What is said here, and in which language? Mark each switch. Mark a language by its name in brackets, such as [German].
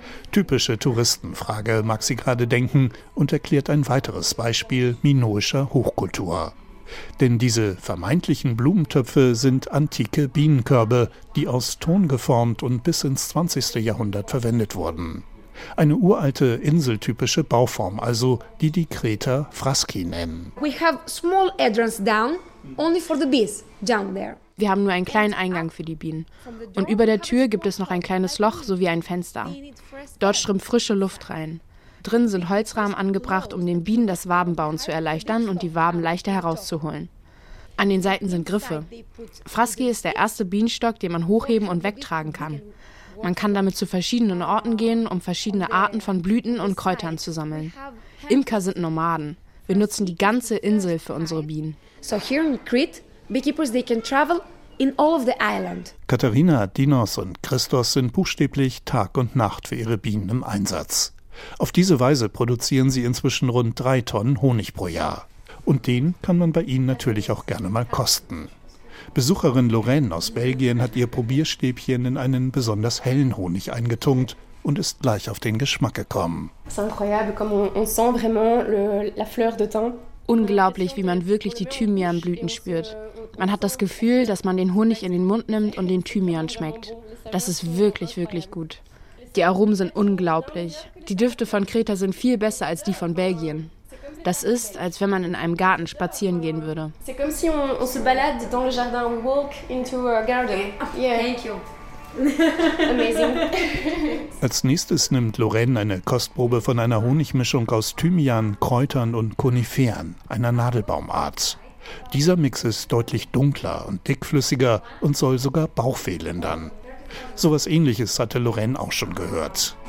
[German] Typische Touristenfrage, mag sie gerade denken, und erklärt ein weiteres Beispiel minoischer Hochkultur. Denn diese vermeintlichen Blumentöpfe sind antike Bienenkörbe, die aus Ton geformt und bis ins 20. Jahrhundert verwendet wurden. Eine uralte inseltypische Bauform, also die Kreter Fraski nennen. [English] We have small entrance down, only for the bees down there. [German] Wir haben nur einen kleinen Eingang für die Bienen. Und über der Tür gibt es noch ein kleines Loch sowie ein Fenster. Dort strömt frische Luft rein. Drin sind Holzrahmen angebracht, um den Bienen das Wabenbauen zu erleichtern und die Waben leichter herauszuholen. An den Seiten sind Griffe. Fraski ist der erste Bienenstock, den man hochheben und wegtragen kann. Man kann damit zu verschiedenen Orten gehen, um verschiedene Arten von Blüten und Kräutern zu sammeln. Imker sind Nomaden. Wir nutzen die ganze Insel für unsere Bienen. [English] So here in Crete, beekeepers they can travel in all of the island. [German] Katharina, Dinos und Christos sind buchstäblich Tag und Nacht für ihre Bienen im Einsatz. Auf diese Weise produzieren sie inzwischen rund 3 Tonnen Honig pro Jahr. Und den kann man bei ihnen natürlich auch gerne mal kosten. Besucherin Lorraine aus Belgien hat ihr Probierstäbchen in einen besonders hellen Honig eingetunkt und ist gleich auf den Geschmack gekommen. [French] C'est incroyable, comme on sent vraiment la fleur de thym. [German] Unglaublich, wie man wirklich die Thymianblüten spürt. Man hat das Gefühl, dass man den Honig in den Mund nimmt und den Thymian schmeckt. Das ist wirklich, wirklich gut. Die Aromen sind unglaublich. Die Düfte von Kreta sind viel besser als die von Belgien. Das ist, als wenn man in einem Garten spazieren gehen würde. [French] C'est comme si on se balade dans le jardin, on [English] walk into a garden. Okay. Yeah. Thank you. Amazing. [German] Als nächstes nimmt Lorraine eine Kostprobe von einer Honigmischung aus Thymian, Kräutern und Koniferen, einer Nadelbaumart. Dieser Mix ist deutlich dunkler und dickflüssiger und soll sogar Bauchweh lindern. Sowas Ähnliches hatte Lorraine auch schon gehört.